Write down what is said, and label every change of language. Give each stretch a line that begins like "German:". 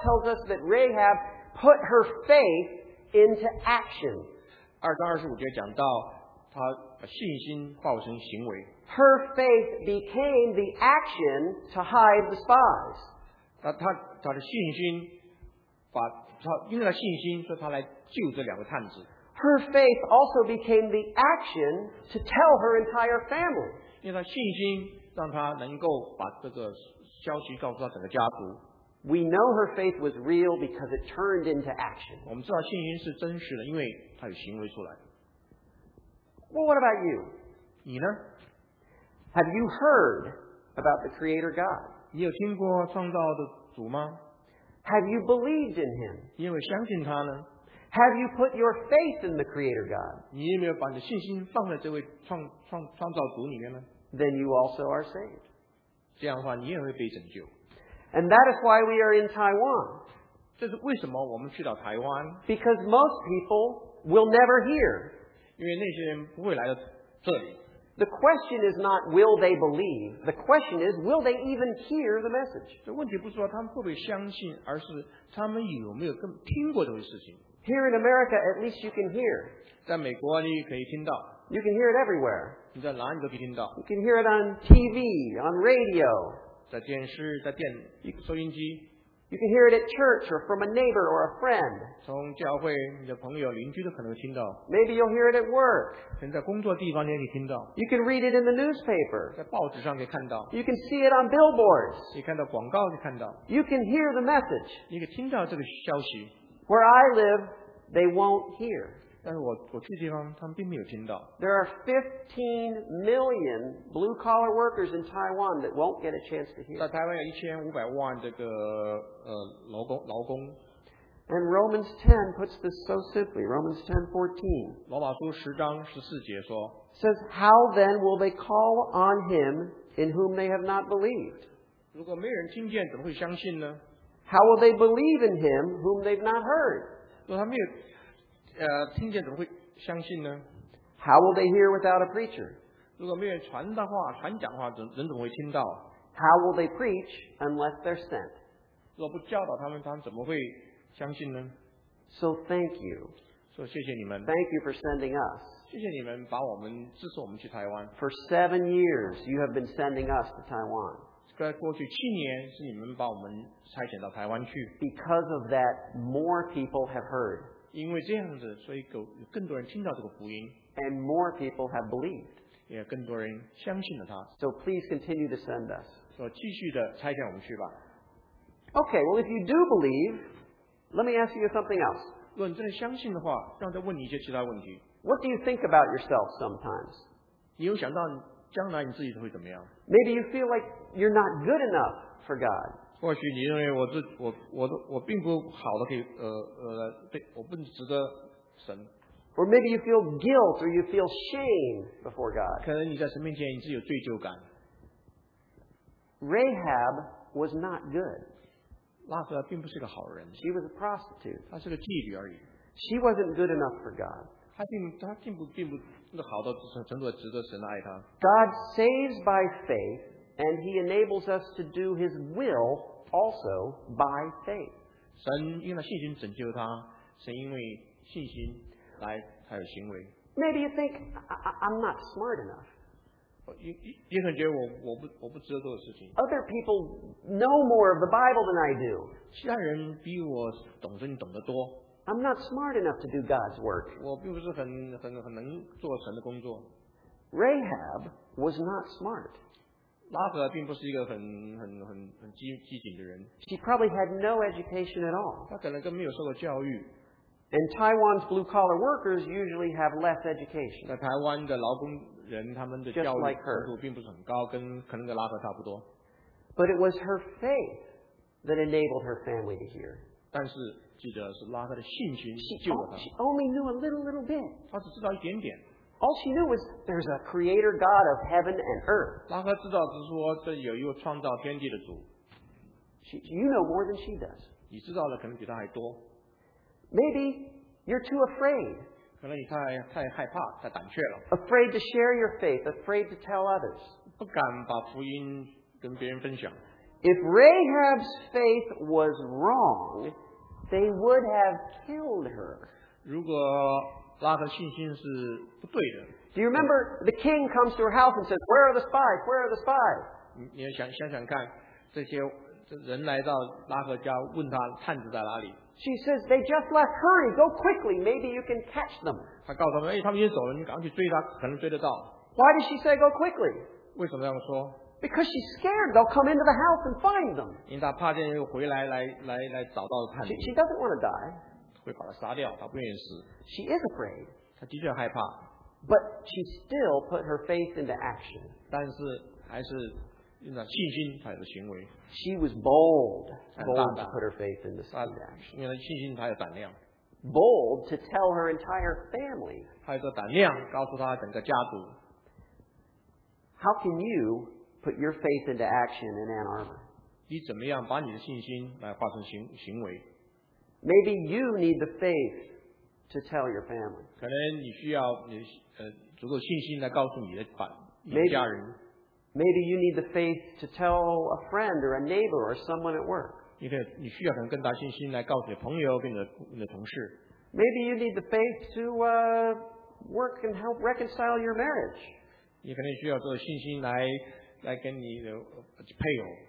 English: tells us that Rahab put her faith into action.
Chinese: 2:25节讲到她把信心化成行为。
English: Her faith became the action to hide the spies.
Chinese: 他的信心，把他因为他信心，所以他来救这两个探子。
English: Her faith also became the action to tell her entire family.
Chinese: 因为他信心，让他能够把这个消息告诉他整个家族。
English: We know her faith was real because it turned into action.
Chinese: 我们知道信心是真实的，因为他有行为出来。
English: Well, what about you?
Chinese: 你呢？
English: Have you heard about the Creator God?
Chinese: 你有听过创造的主吗？
English: Have you believed in Him?
Chinese: 你有没有相信他呢？
English: Have you put your faith in the Creator God?
Chinese: 你有没有把你的信心放在这位创造主里面呢？
English: Then you also are saved.
Chinese: 这样的话，你也会被拯救。
English: And that is why we are in Taiwan.
Chinese: 这是为什么我们去到台湾？
English: Because most people will never hear.
Chinese: 因为那些人不会来到这里。
English: The question is not will they believe. The question is will they even hear the message.
Chinese: 这问题不是说他们会不会相信，而是他们有没有听过这个事情。
English: Here in America, at least you can hear.
Chinese: 在美国你可以听到。
English: You can hear it everywhere.
Chinese: 你在哪里都可以听到。
English: You can hear it on TV, on radio.
Chinese: 在电视，在电收音机。
English: You can hear it at church or from a neighbor or a friend.
Chinese: 从教会你的朋友邻居都可能听到。
English: Maybe you'll hear it at work.
Chinese: 现在工作地方你也可以听到。
English: You can read it in the newspaper.
Chinese: 在报纸上可以看到。
English: You can see it on billboards.
Chinese: 你看到广告就看到。
English: You can hear the message.
Chinese: 你可以听到这个消息。
English: Where I live, they won't hear.
Chinese: 但是我去的地方他们并没有听到。
English: There are 15 million blue-collar workers in Taiwan that won't get a chance to hear.
Chinese: 在台湾有1500万这个劳工。
English: And Romans 10 puts this so simply, Romans 10:14.
Chinese: 罗马书十章十四节说。
English: Says, how then will they call on him in whom they have not believed?
Chinese: 如果没人听见怎么会相信呢？
English: How will they believe in him whom they've not heard?
Chinese: 如果他没有听见怎么会相信呢？
English: How will they hear without a preacher?
Chinese: 如果没有传的话，传讲的话，人怎么会听到？
English: How will they preach unless they're sent?
Chinese: 如果不教导他们，他们怎么会相信呢？
English: So thank you.
Chinese: 所以谢谢你们。
English: Thank you for sending us.
Chinese: 谢谢你们把我们支持我们去台湾。
English: For 7 years, you have been sending us to Taiwan.
Chinese: 在过去七年是你们把我们差遣到台湾去。
English: Because of that, more people have heard.
Chinese: 因为这样子，所以有更多人听到这个福音。
English: And more people have believed.
Chinese: 也更多人相信了他。
English: So please continue to send us.
Chinese: 所以继续的差遣我们去吧。
English: Okay, well if you do believe, let me ask you something else.
Chinese: 如果你真的相信的话，让我再问你一些其他问题。
English: What do you think about yourself sometimes?
Chinese: 你有想到将来你自己会怎么样？
English: Maybe you feel like you're not good enough for God.
Chinese: 或许你认为我并不好的可以我不值得神。
English: Or maybe you feel guilt or you feel shame before God.
Chinese: 可能你在神面前你自己有罪疚感。
English: Rahab was not good.
Chinese: 拉撒并不是个好人。
English: She was a prostitute.
Chinese: 她是个妓女而已。
English: She wasn't good enough for God.
Chinese: 她并不。
English: God saves by faith, and He enables us to do His will also by faith.
Chinese: 神因为信心拯救他，神因为信心来才有行为。
English: Maybe you think I'm not smart enough.
Chinese: 也可能觉得我不知道这个事情。
English: Other people know more of the Bible than I do.
Chinese: 其他人比我懂得你懂得多。
English: I'm not smart enough to do God's work.
Chinese: 我并不是很能做神的工作。
English: Rahab was not smart.
Chinese: 拉合并不是一个很机警的人。
English: She probably had no education at all.
Chinese: 她可能根本没有受过教育。
English: And Taiwan's blue-collar workers usually have less education.
Chinese: 在台湾的劳工人他们的教育程度并不是很高，跟可能跟拉合差不多。
English: But it was her faith that enabled her family to hear.
Chinese: 但是记得是拉撒的信心救了他。
English: She only knew a little bit.
Chinese: 他只知道一点点。
English: All she knew was there's a creator God of heaven and earth.
Chinese: 拉撒知道只是说这有一个创造天地的主。
English: You know more than she does.
Chinese: 你知道的可能比他还多。
English: Maybe you're too afraid.
Chinese: 可能你太害怕，太胆怯了。
English: Afraid to share your faith, afraid to tell others.
Chinese: 不敢把福音跟别人分享。
English: If Rahab's faith was wrong, they would have killed her.
Chinese: 如果拉合信心是不对的。
English: Do you remember the king comes to her house and says, "Where are the spies? Where are the spies?"
Chinese: 你想想看，这些人来到拉合家，问他探子在哪里。
English: She says they just left. Hurry, go quickly. Maybe you can catch them.
Chinese: 他告诉他们，哎，他们已经走了，你赶紧去追他，可能追得到。
English: Why does she say go quickly?
Chinese: 为什么这样说？
English: Because she's scared they'll come into the house and find them.
Chinese: 因为他怕这人又回来，来找到探子。
English: She doesn't want to die.
Chinese: 会把他杀掉，他不愿意死。
English: She is afraid.
Chinese: 他的确害怕。
English: But she still put her faith into action.
Chinese: 但是还是。信心才有行为。
English: She was bold to put her faith into action.
Chinese: 因为信心才有胆量。
English: Bold to tell her entire family.
Chinese: 她有胆量告诉她整个家族。
English: How can you put your faith into action in Ann Arbor?
Chinese: 你怎么样把你的信心来化成行为？
English: Maybe you need the faith to tell your family.
Chinese: 可能你需要你足够信心来告诉你的家人。
English: Maybe you need the faith to tell a friend or a neighbor or someone at work.
Chinese: 你需要可能更大信心来告诉你的朋友跟你的同事。
English: Maybe you need the faith to work and help reconcile your marriage.
Chinese: 你可能需要做信心来跟你的配偶。